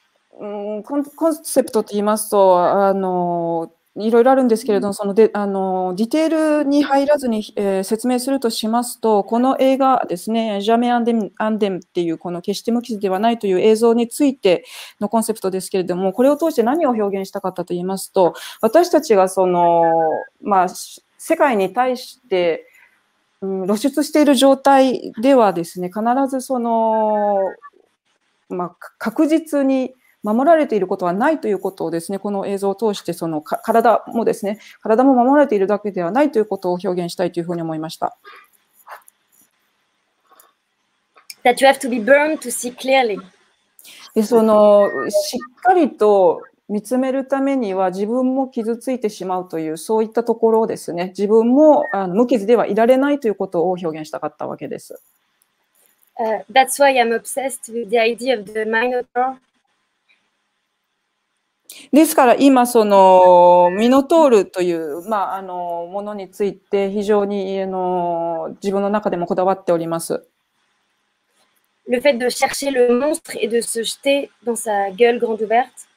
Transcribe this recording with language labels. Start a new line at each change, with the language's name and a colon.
Japanese: Concept, いろいろあるんですけれども、そのでディテールに入らずに、説明するとしますと、この映画ですね、ジャメ・アンデムっていう、この決して無傷ではないという映像についてのコンセプトですけれども、これを通して何を表現したかったと言いますと、私たちがその、まあ、世界に対して、露出している状態ではですね、必ずその、まあ、確実に守られていることはないということをですね、この映像を通してその体もですね、体も守られているだけではないということを表現したいというふうに思いました。
English: That you have to be burned to see clearly.
Japanese: で、そのしっかりと見つめるためには自分も傷ついてしまうというそういったところをですね、自分も無傷ではいられないということを表現したかったわけです。
English: That's why I'm obsessed with the idea of the Minotaur.
Japanese: ですから今そのミノトールというまああのものについて非常にあの自分の中でもこだわっております。
French: Le fait de chercher le monstre et de se jeter dans sa gueule grande ouverte.